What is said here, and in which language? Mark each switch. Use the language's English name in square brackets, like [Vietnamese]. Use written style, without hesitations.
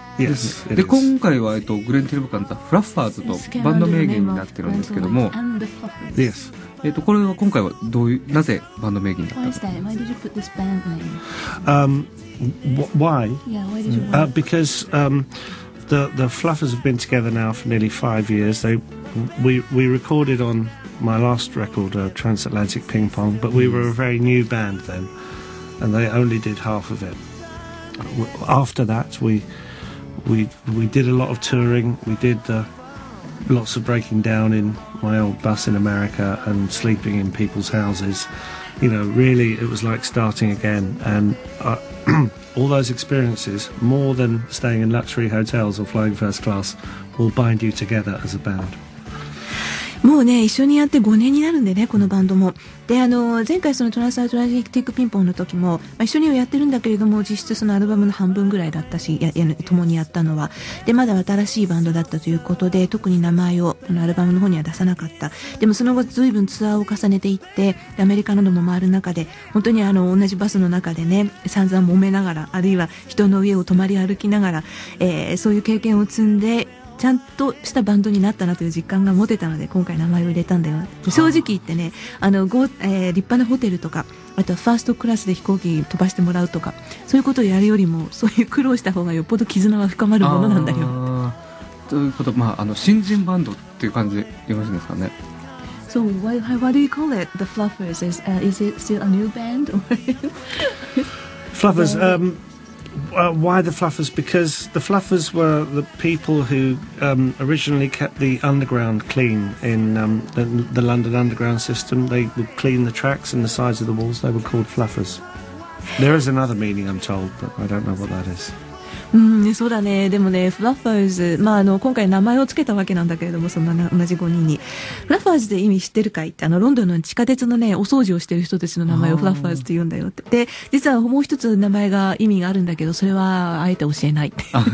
[English] Yes. [Japanese] で、今回は、グレン・ティルブカンザ・フラッファーズとバンド名義になってるんですけども、 [English] Yes. [Japanese] これは今回はどういう、なぜバンド名義になった [English] の？Why? Yeah, why did you? Because the Fluffers have been together now for nearly 5 years. We recorded on my last record, Transatlantic Ping Pong, but we were a very new band then. And they only did half of it. After that, we did a lot of touring. We did lots of breaking down in my old bus in America and sleeping in people's houses. You know, really, it was like starting again. And all those experiences, more than staying in luxury hotels or flying first class, will bind you together as a band. [Japanese] もうね、一緒にやって5年になるんでね、このバンドも。で、前回そのトランスアトランティックピンポンの時も、まあ、一緒にやってるんだけれども、実質そのアルバムの半分ぐらいだったし、共にやったのは。で、まだ新しいバンドだったということで、特に名前をこのアルバムの方には出さなかった。でもその後、ずいぶんツアーを重ねていって、アメリカなども回る中で、本当に同じバスの中でね、散々揉めながら、あるいは人の上を泊まり歩きながら、そういう経験を積んで、ちゃんとしたバンドになったなという実感が持てたので今回名前を入れたんだよ。正直言ってね、立派なホテルとか、あとはファーストクラスで飛行機飛ばしてもらうとか、そういうことをやるよりもそういう苦労した方がよっぽど絆は深まるものなんだよ。ということ、まあ、新人バンドっていう感じでよろしいですかね。 [English] So what do you call it? The Fluffers is it still a new band? Fluffers, why the Fluffers? Because the Fluffers were the people who originally kept the underground clean in the London Underground system. They would clean the tracks and the sides of the walls. They were called Fluffers. There is another meaning, I'm told, but I don't know what that is. [Japanese] うん、そうだね。でもね、フラッファーズ、まあ、今回名前をつけたわけなんだけれども、そんな同じ5人に。フラッファーズで意味知ってるかいって、ロンドンの地下鉄のね、お掃除をしてる人たちの名前をフラッファーズって言うんだよって。で、実はもう一つ名前が意味があるんだけど、それはあえて教えないって。